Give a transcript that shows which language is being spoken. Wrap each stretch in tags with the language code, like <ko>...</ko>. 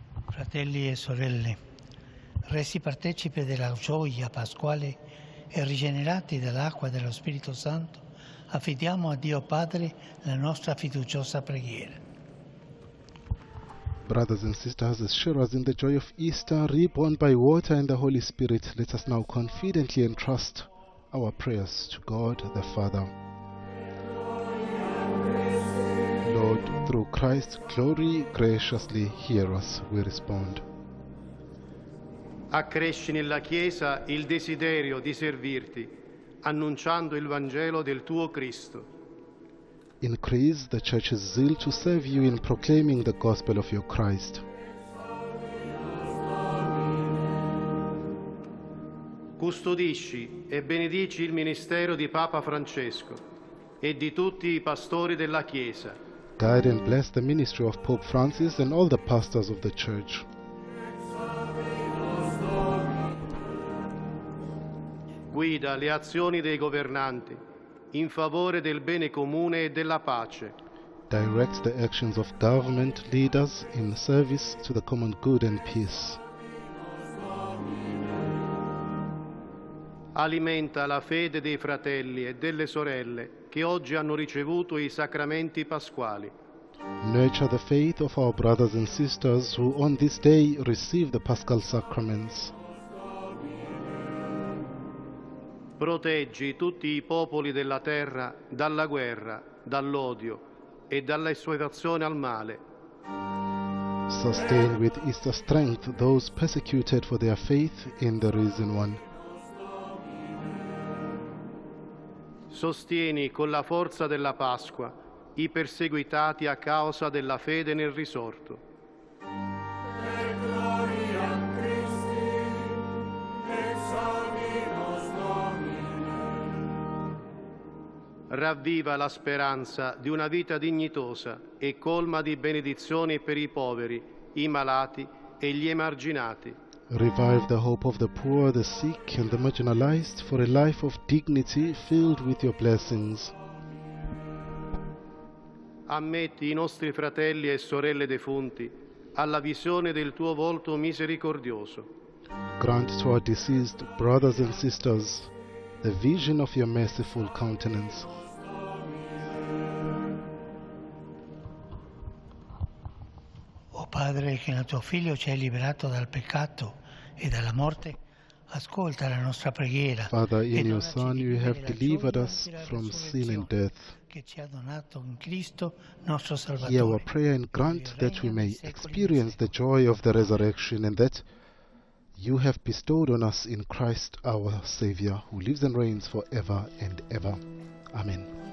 <it>Fratelli e sorelle, resi partecipi della gioia pasquale e rigenerati dall'acqua dello Spirito Santo, affidiamo a Dio Padre la nostra fiduciosa preghiera.</it> <en>Brothers and sisters, assure us in the joy of Easter, reborn by water and the Holy Spirit, let us now confidently entrust our prayers to God the Father. Lord, through Christ's glory, graciously hear us, we respond.</en> <it>Accresci nella Chiesa il desiderio di servirti, annunciando il Vangelo del tuo Cristo.</it> <en>Increase the Church's zeal to serve you in proclaiming the gospel of your Christ.</en> <it>Custodisci e benedici il ministero di Papa Francesco e di tutti I pastori della Chiesa.</it> <en>Guide and bless the ministry of Pope Francis and all the pastors of the Church.</en> <it>Guida le azioni dei governanti in favore del bene comune e della pace.</it> <en>Direct the actions of government leaders in service to the common good and peace.</en> <it>Alimenta la fede dei fratelli e delle sorelle che oggi hanno ricevuto I sacramenti pasquali.</it> <en>Nurture the faith of our brothers and sisters who on this day receive the paschal sacraments.</en> <it>Proteggi tutti I popoli della terra dalla guerra, dall'odio e dalla esuasione al male.</it> <en>Sustain with Easter strength those persecuted for their faith in the risen one.</en> <it>Sostieni con la forza della Pasqua I perseguitati a causa della fede nel risorto. Ravviva la speranza di una vita dignitosa e colma di benedizioni per I poveri, I malati e gli emarginati.</it> <en>Revive the hope of the poor, the sick and the marginalized for a life of dignity filled with your blessings.</en> <it>Ammetti I nostri fratelli e sorelle defunti alla visione del tuo volto misericordioso.</it> <en>Grant to our deceased brothers and sisters the vision of your merciful countenance.</en> <it>Padre, che nel tuo figlio ci hai liberato dal peccato e dalla morte, ascolta la nostra preghiera.</it> <en>Father, in your Son you have delivered us from sin and death.</en> <it>Che ci ha donato in Cristo nostro Salvatore.</it> <en>Hear our prayer and grant that we may experience the joy of the resurrection and that you have bestowed on us in Christ our Savior, who lives and reigns forever and ever. Amen.</en>